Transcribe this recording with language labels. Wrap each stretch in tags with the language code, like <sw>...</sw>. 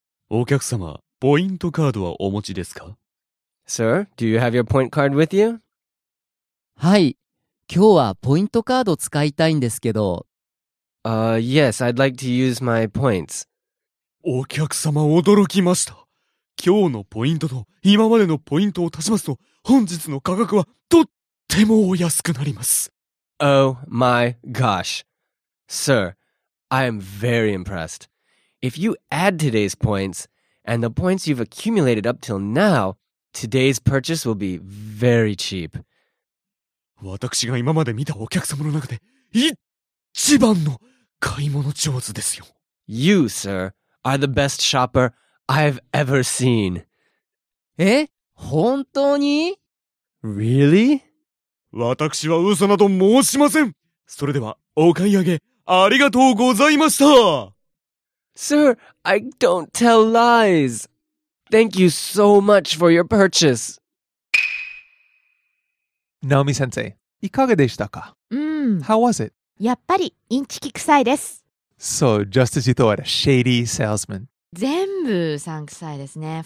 <ja>お客様、ポイントカードはお持ちですか?</ja> <en>Sir, do you have your point card with you?</en> <ja>はい、今日はポイントカード使いたいんですけど。</ja> <en>Yes, I'd like to use my points.</en> <ja>お客様、驚きました。今日のポイントと今までのポイントを足しますと、本日の価格はとってもお安くなります。</ja> <en>Oh my gosh. Sir, I am very impressed. If you add today's points and the points you've accumulated up till now, today's purchase will be very cheap.</en> <ja>私が今まで見たお客様の中で一番の買い物上手ですよ。</ja> <en>You, sir, are the best shopper I've ever seen.</en> <ja>え?本当に?</ja> <en>Really?</en> <ja>私は嘘など申しません。それではお買い上げありがとうございました。</ja> <en>Sir, I don't tell lies. Thank you so much for your purchase.</en> <ja>Naomi sensei, いかがでしたか?</ja> <en>How was it?</en> <ja>やっぱりインチキ臭いです。</ja> <en>So, just as you thought, a shady salesman.</en> <ja>全部さんくさいですね。</ja>